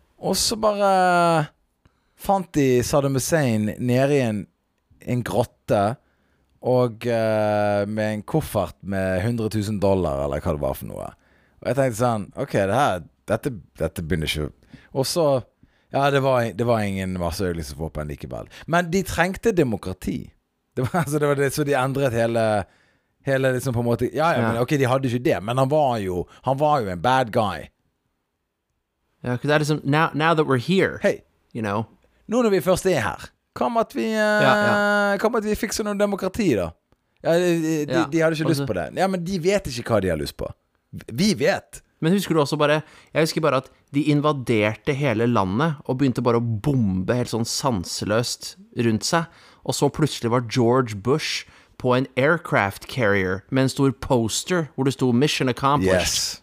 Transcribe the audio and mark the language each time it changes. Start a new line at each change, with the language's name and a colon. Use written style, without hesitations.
Norwegian: Og så bare fant de Saddam Hussein nede i en grotte og med en koffert med $100,000 eller hva det var for noe. Og jeg tenkte sånn, ok, dette begynner ikke. Og så, ja, det var ingen masse øyelsesvåpen likevel. Men de trengte demokrati. Det var det, så de endret hele liksom på en måte. Ja, ja, ja. Men, ok, de hadde ikke det, men han var jo en
English: bad guy. Ja, because that is now that we're here. Hey, you know.
Norwegian: Nå når vi først er her, kom at vi fikser noen demokrati da. Ja, de hadde ikke også, lyst på det. Ja, men de vet ikke hva de har lyst på. Vi vet. Men husker du også bare, jeg husker bare at de invaderte hele landet og begynte bare å bombe helt sånn sanseløst rundt seg, og så plutselig var George Bush på en
English: aircraft carrier
Norwegian: med en stor poster hvor det stod
English: mission accomplished.